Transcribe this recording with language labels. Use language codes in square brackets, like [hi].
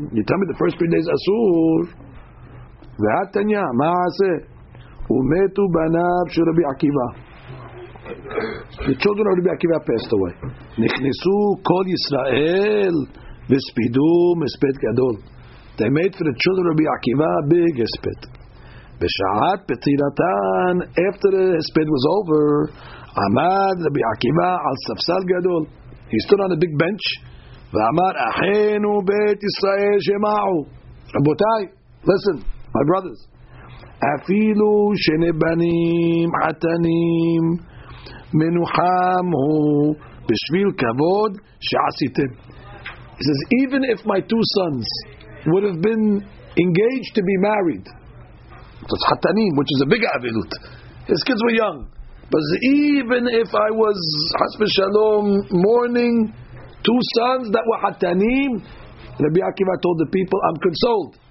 [en] You tell me the first 3 days אסור. [he] ועד תניה, מה עשה? ומתו בניו של רבי עקיבא. [en] The children of Rabbi Akiva passed away. [he] נכנסו כל ישראל וספידו מספד גדול. [en] They made for the children of Rabbi Akiva a big הספד. [he] בשעת פטירתן, [en] after the הספד was over, [he] עמד רבי עקיבא על ספסל גדול. [en] He stood on a big bench [he] ואמר, אחינו בית ישראל שמעו. רבותיי, [en] listen, my brothers. [he] אפילו שני בנים חתנים מנוחם הוא בשביל כבוד שעשיתם. [en] He says, even if my 2 sons would have been engaged to be married, that's חתנים, which is a big avilut. His kids were young. But even if I was, חס ושלום, mourning 2 sons that were חתנים, Rabbi Akiva told the people, I'm consoled.